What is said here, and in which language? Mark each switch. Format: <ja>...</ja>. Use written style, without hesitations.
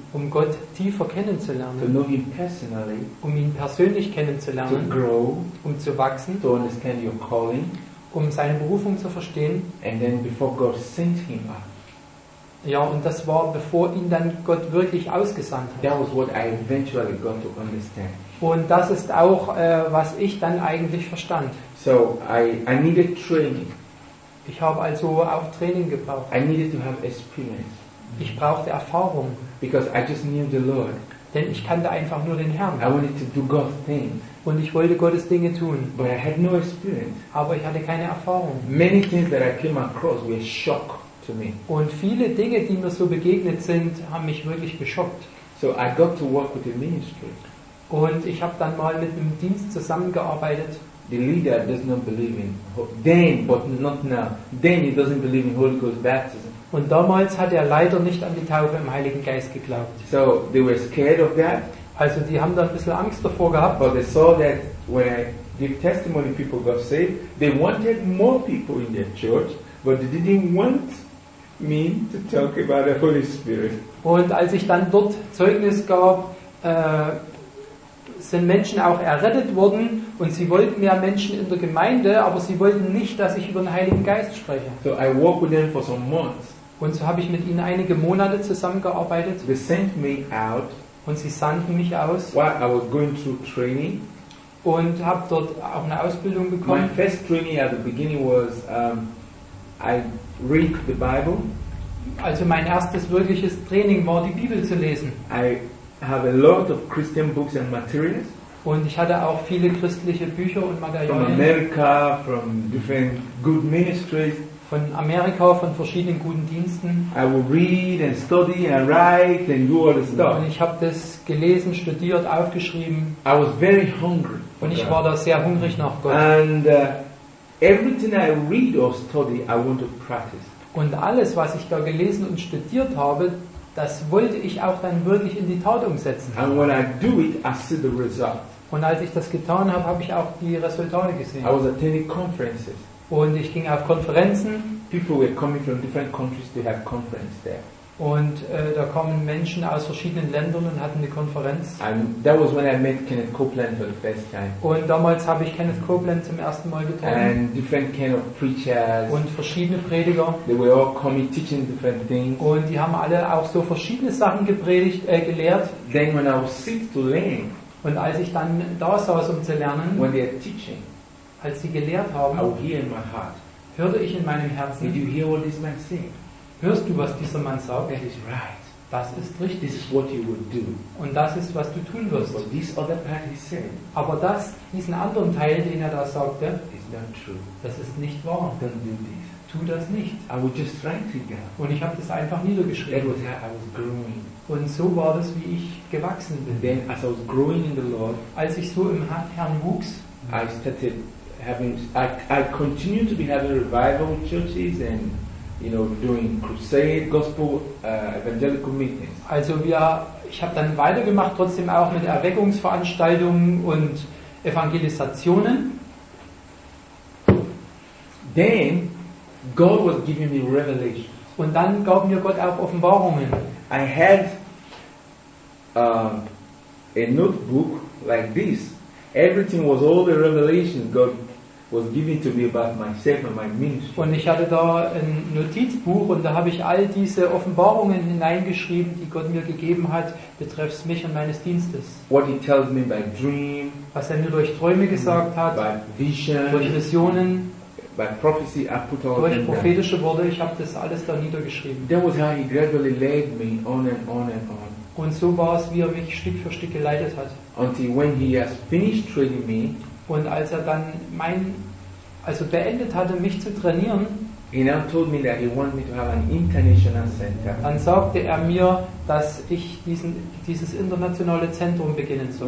<de>um Gott tiefer kennenzulernen,</de> <en>to know him personally,</en> <de>um ihn persönlich kennenzulernen,</de> <en>to grow,</en> <de>um zu wachsen,</de> <en>to understand your calling,</en> <de>um seine Berufung zu verstehen.</de> <en>And then before God sent him up.</en> <de>Ja, und das war, bevor ihn dann Gott wirklich ausgesandt hat.</de> <en>That was what I eventually got to understand.</en> <de>Und das ist auch, was ich dann eigentlich verstand.</de> <en>So, I needed training.</en> <de>Ich habe also auch Training gebraucht.</de> <en>I needed to have experience.</en> <de>Ich brauchte Erfahrung.</de> <en>Because I just knew the Lord.</en> <de>Denn ich kannte einfach nur den Herrn.</de> <en>I wanted to do God's things.</en> <de>Und ich wollte Gottes Dinge tun.</de> <en>But I had no experience.</en> <de>Aber ich hatte keine Erfahrung.</de> <en>Many things that I came across were shock to me.</en> <de>Und viele Dinge, die mir so begegnet sind, haben mich wirklich geschockt.</de> <en>So I got to work with the ministry.</en> <de>Und ich habe dann mal mit einem Dienst zusammengearbeitet.</de> <en>The leader does not believe in then, but not now. Then he doesn't believe in Holy Ghost baptism.</en> <de>Und damals hat der Leiter nicht an die Taufe im Heiligen Geist geglaubt.</de> <en>So they were scared of that.</en> <de>Also die haben da ein bisschen Angst davor gehabt.</de> <en>But they saw that when I give testimony, people got saved. They wanted more people in their church, but they didn't want me to talk about the Holy Spirit.</en> <de>Und als ich dann dort Zeugnis gab, sind Menschen auch errettet worden und sie wollten mehr Menschen in der Gemeinde, aber sie wollten nicht, dass ich über den Heiligen Geist spreche.</de> <en>So I worked with them for some months.</en> <de>Und so habe ich mit ihnen einige Monate zusammengearbeitet.</de> <en>They sent me out.</en> <de>Und sie sandten mich aus.</de> <en>While I was going through training.</en> <de>Und habe dort auch eine Ausbildung bekommen.</de> <en>My first training at the beginning was I read the Bible.</en> <de>Also mein erstes wirkliches Training war, die Bibel zu lesen.</de> <en>I have a lot of Christian books and materials.</en> <de>Und ich hatte auch viele christliche Bücher und Materialien.</de> <en>From America, from different good ministries.</en> <de>Von Amerika, von verschiedenen guten Diensten.</de> <en>I will read and study and write and do all the stuff.</en> <de>Und ich habe das gelesen, studiert, aufgeschrieben.</de> <en>I was very hungry.</en> <de>Und ich war da sehr hungrig nach Gott.</de> <en>And everything I read or study, I want to practice.</en> <de>Und alles, was ich da gelesen und studiert habe, das wollte ich auch dann wirklich in die Tat umsetzen.</de> <en>And when I do it, I see the result.</en> <de>Und als ich das getan habe, habe ich auch die Resultate gesehen.</de> <en>I was attending conferences.</en> <de>Und ich ging auf Konferenzen.</de> <en>People were coming from different countries to have conference there.</en> <de>Und da kommen Menschen aus verschiedenen Ländern und hatten eine Konferenz.</de> <en>And that was when I met Kenneth Copeland for the first time.</en> <de>Und damals habe ich Kenneth Copeland zum ersten Mal getroffen.</de> <en>And different kind of preachers.</en> <de>Und verschiedene Prediger.</de> <en>They were all coming teaching different things.</en> <de>Und die haben alle auch so verschiedene Sachen gepredigt, gelehrt.</de> <en>Then when I was sick to learn.</en> <de>Und als ich dann da saß, um zu lernen.</de> <en>When they are teaching.</en> <de>Als sie gelehrt haben.</de> <en>I would hear in my heart.</en> <de>Hörte ich in meinem Herzen.</de> <en>Did you hear what this man said?</en> <de>Hörst du, was dieser Mann sagt?</de> <en>That is right.</en> <de>Das ist richtig.</de> <en>This is what you would do.</en> <de>Und das ist, was du tun wirst.</de> <en>But this other part he said,</en> <de>aber das, diesen anderen Teil, den er da sagte,</de> <en>is not true.</en> <de>Das ist nicht wahr.</de> <en>Don't do this.</en> <de>Tu das nicht.</de> <en>I would just write it down.</en> <de>Und ich habe das einfach niedergeschrieben.</de> <en>That was how I was growing.</en> <de>Und so war das, wie ich gewachsen bin.</de> <en>Then, as I was growing in the Lord,</en> <de>als ich so im Herrn wuchs,</de> <en>I continued to be having revival churches and, you know, doing crusade, gospel, evangelical meetings.</en> <de>Also ich habe dann weitergemacht, trotzdem auch mit Erweckungsveranstaltungen und Evangelisationen.</de> <en>Then God was giving me revelations.</en> <de>Und dann gab mir Gott auch Offenbarungen.</de> <en>I had a notebook like this. Everything was all the revelations God was giving to me about myself and my ministry.</en> <de>Und ich hatte da ein Notizbuch und da habe ich all diese Offenbarungen hineingeschrieben, die Gott mir gegeben hat, betreffs mich und meines Dienstes.</de> <en>What he tells me by dream.</en> <de>Was er mir durch Träume gesagt hat.</de> <en>By vision.</en> <de>Durch Visionen.</de> <en>By prophecy, I put all</en> <de>durch prophetische Worte, ich habe das alles da niedergeschrieben.</de> <en>That was how he gradually led me on and on and on.</en> <de>Und so war es, wie er mich Stück für Stück geleitet hat.</de> <en>Until when he has finished training me,</en> <de>und als er dann also beendet hatte, mich zu trainieren,</de> <en>he now told me that he wanted me to have an international center.</en> <de>Dann sagte er mir, dass ich dieses internationale Zentrum beginnen soll.</de>